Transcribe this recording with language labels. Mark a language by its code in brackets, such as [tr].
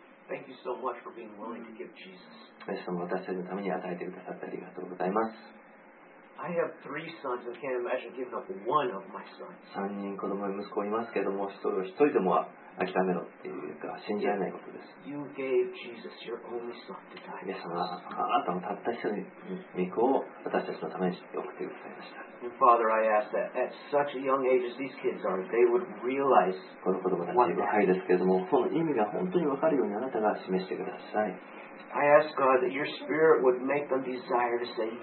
[en] Thank you so much for being willing to give Jesus. [ja] 私たちのために与えてくださってありがとうございます。 [en] I have three sons and can't imagine giving up one of my sons. [ja] 三人子供息子いますけども、一人一人でも諦めろっていうか信じられないことです。 [en] You gave Jesus your only son to die. [ja] 皆様、あなたのたった一人の御子を私たちのために送ってくださいました。 [en] And Father, I ask that at such a young age as these kids are, they would realize what I ask God that your spirit would make them desire to say